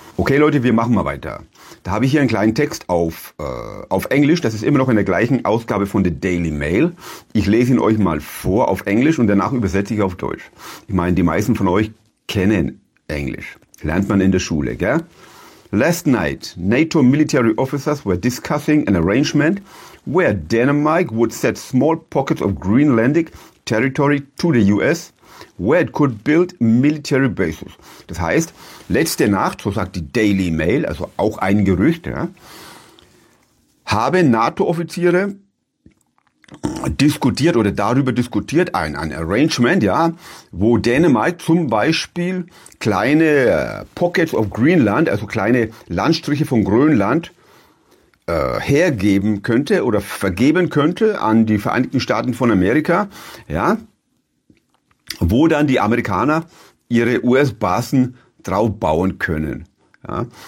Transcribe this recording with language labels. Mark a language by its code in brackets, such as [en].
[de] Okay, Leute, wir machen mal weiter. Da habe ich hier einen kleinen Text auf Englisch. Das ist immer noch in der gleichen Ausgabe von The Daily Mail. Ich lese ihn euch mal vor auf Englisch und danach übersetze ich auf Deutsch. Ich meine, die meisten von euch kennen Englisch. Lernt man in der Schule, gell? [en] Last night, NATO military officers were discussing an arrangement where Denmark would set small pockets of Greenlandic territory to the US, where it could build military bases. [de] Das heißt, letzte Nacht, so sagt die Daily Mail, also auch ein Gerücht, ja, haben NATO-Offiziere diskutiert oder darüber diskutiert, ein Arrangement, ja, wo Dänemark zum Beispiel kleine [en] Pockets of Greenland, [de] also kleine Landstriche von Grönland, hergeben könnte oder vergeben könnte an die Vereinigten Staaten von Amerika, ja, wo dann die Amerikaner ihre US-Basen drauf bauen können. Ja.